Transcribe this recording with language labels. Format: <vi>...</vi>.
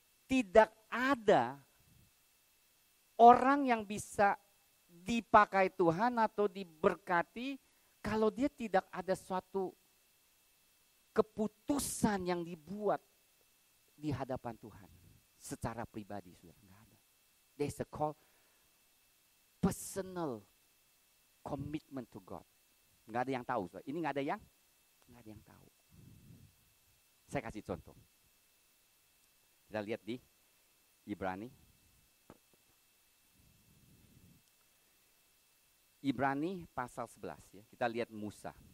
<id>Tidak ada orang yang bisa dipakai Tuhan atau diberkati kalau dia tidak ada suatu keputusan yang dibuat di hadapan Tuhan secara pribadi, saudara. Enggak ada.</id> <en>There's a call personal commitment to God.</en> <id>Enggak ada yang tahu, saudara. Ini enggak ada yang tahu. Saya kasih contoh. Kita lihat di Ibrani pasal 11 ya. Kita lihat Musa.</id>